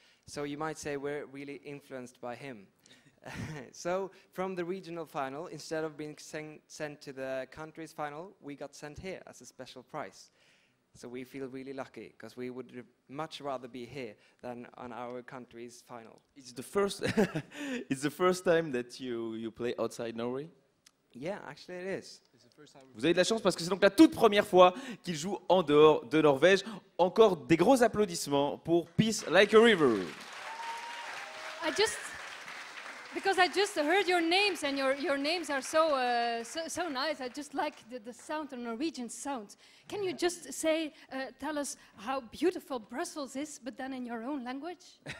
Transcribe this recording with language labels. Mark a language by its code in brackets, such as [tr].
[en] So you might say we're really influenced by him. So from the regional final, instead of being sent to the country's final, we got sent here as a special prize. So we feel really lucky, because we would much rather be here than on our country's final. It's the first it's the first time that you play outside Norway? Yeah, actually it is. [fr] Vous avez de la chance parce que c'est donc la toute première fois qu'il joue en dehors de Norvège. Encore des gros applaudissements pour Peace Like a River. [en] Because I just heard your names and your names are so nice. I just like the sound, the Norwegian sound. Can you just say tell us how beautiful Brussels is, but then in your own language?